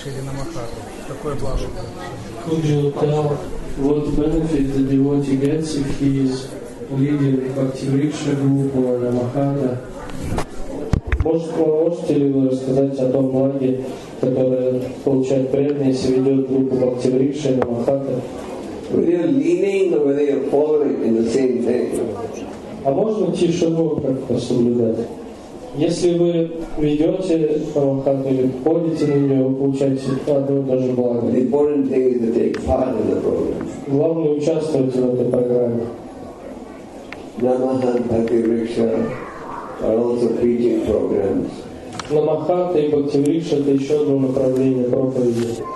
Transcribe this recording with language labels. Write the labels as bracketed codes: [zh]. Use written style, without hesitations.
[en] Could you tell what benefit the devotee gets if he is leading Bhakti Riksha group or Namahata? [ru] Можете ли вы рассказать о том благе, которое получает преданный, если ведет группу Бхакти Рикша и Намахата? [en] Whether you're leaning or whether you're following in the same thing. [ru] А можно тишину как-то соблюдать? Если вы ведете Намахату или ходите на нее, вы получаете одно и то же благо. [en] The important thing is to take part in the program. [ru] Главное участвовать в этой программе. [en] Намахат, Бхакти Рикша are also preaching programs. [ru] Намахат и Бхакти Рикша это еще одно направление проповеди.